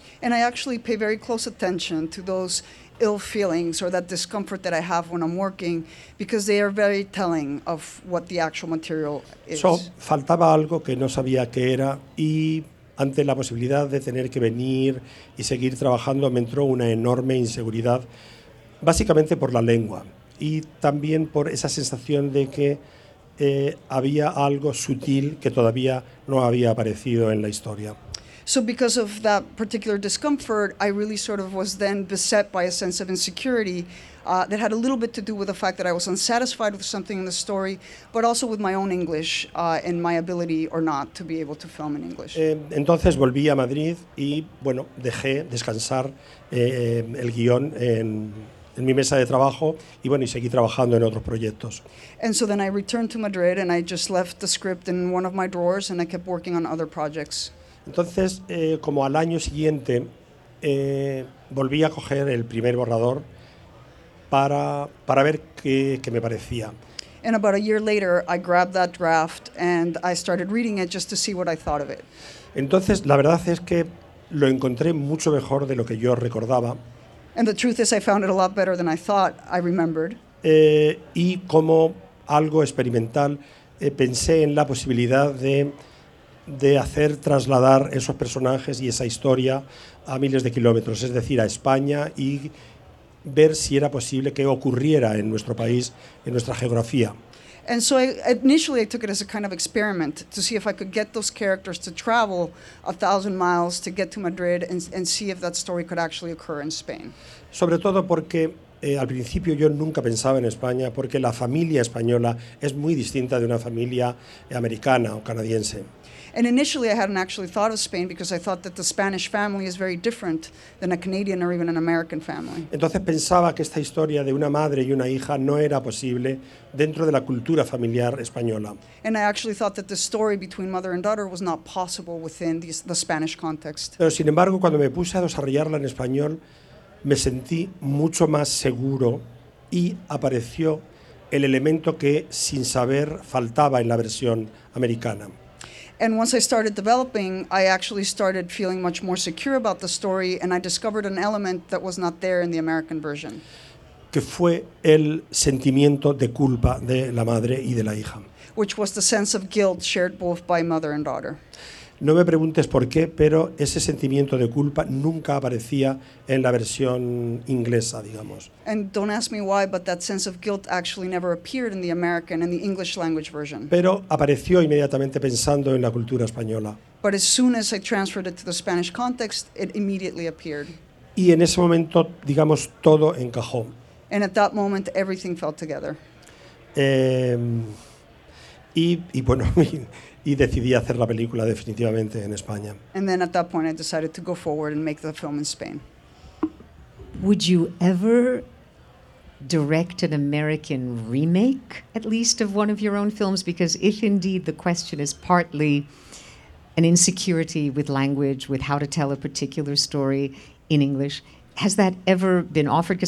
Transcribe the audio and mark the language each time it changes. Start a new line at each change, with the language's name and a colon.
English: And I actually pay very close attention to those ill feelings or that discomfort that I have when I'm working, because they are very telling of what the actual material is.
Spanish: So, faltaba algo que no sabía qué era, y ante la posibilidad de tener que venir y seguir trabajando, me entró una enorme inseguridad, básicamente por la lengua. Y también por esa sensación de que había algo sutil que todavía no había aparecido en la historia.
English: So because of that particular discomfort, I really sort of was then beset by a sense of insecurity that had a little bit to do with the fact that I was unsatisfied with something in the story, but also with my own English and my ability or not to be able to film in English.
Spanish: Entonces volví a Madrid y, bueno, dejé descansar el guión en mi mesa de trabajo, y bueno, y seguí trabajando en otros proyectos.
English: And so then I returned to Madrid and I just left the script in one of my drawers and I kept working on other projects.
Spanish: Entonces, como al año siguiente, volví a coger el primer borrador para ver qué me parecía.
English: And about a year later, I grabbed that draft and I started reading it just to see what I thought of it.
Spanish: Entonces, la verdad es que lo encontré mucho mejor de lo que yo recordaba.
English: And the truth is, I found it a lot better than I thought I remembered.
Spanish: Y como algo experimental, pensé en la posibilidad de hacer trasladar esos personajes y esa historia a miles de kilómetros, es decir, a España, y ver si era posible que ocurriera en nuestro país, en nuestra geografía.
English: And so initially I took it as a kind of experiment to see if I could get those characters to travel 1,000 miles to get to Madrid and see if that story could actually occur in Spain.
Spanish: Sobre todo porque al principio yo nunca pensaba en España porque la familia española es muy distinta de una familia americana o canadiense.
English: And initially I hadn't actually thought of Spain because I thought that the Spanish family is very different than a Canadian or even an American family.
Spanish: Entonces pensaba que esta historia de una madre y una hija no era posible dentro de la cultura familiar española.
English: And I actually thought that the story between mother and daughter was not possible within the Spanish context.
Spanish: Pero sin embargo, cuando me puse a desarrollarla en español, me sentí mucho más seguro y apareció el elemento que sin saber faltaba en la versión americana.
English: And once I started developing, I actually started feeling much more secure about the story, and I discovered an element that was not there in the American version.
Spanish: Que fue el sentimiento de culpa de la madre y de la hija.
English: Which was the sense of guilt shared both by mother and daughter.
Spanish: No me preguntes por qué, pero ese sentimiento de culpa nunca aparecía en la versión inglesa, digamos.
English: And don't ask me why, but that sense of guilt actually never appeared in the American, in the English language version.
Spanish: Pero apareció inmediatamente pensando en la cultura española.
English: But as soon as I transferred it to the Spanish context, it immediately appeared.
Spanish: Y en ese momento, digamos, todo encajó.
English: And at that moment, everything fell together.
Spanish: Y bueno, y decidí hacer la película definitivamente en España.
English: And then at that point I decided to go forward and make the film in Spain. Would you ever direct an American remake, at least of one of your own films? Because if indeed the question is partly an insecurity with language, with how to tell a particular story in English, has that ever been offered?